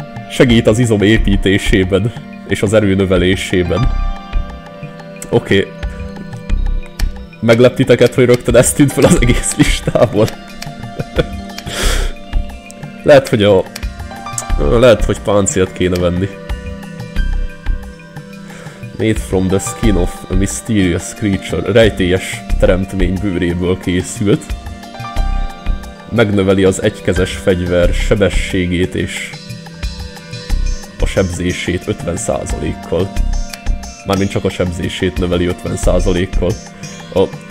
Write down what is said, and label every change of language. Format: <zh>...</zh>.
<hu>Segít az izom építésében és az erő növelésében. Oké. Megleptiteket, hogy rögtön ez tűnt fel az egész listából. Lehet, hogy páncélt kéne venni.</hu> <en>Made from the skin of a mysterious creature.</en> <hu>Rejtélyes teremtmény bőréből készült. Megnöveli az egykezes fegyver sebességét és a sebzését 50%-kal. Mármint csak a sebzését növeli 50%-kal. A</hu>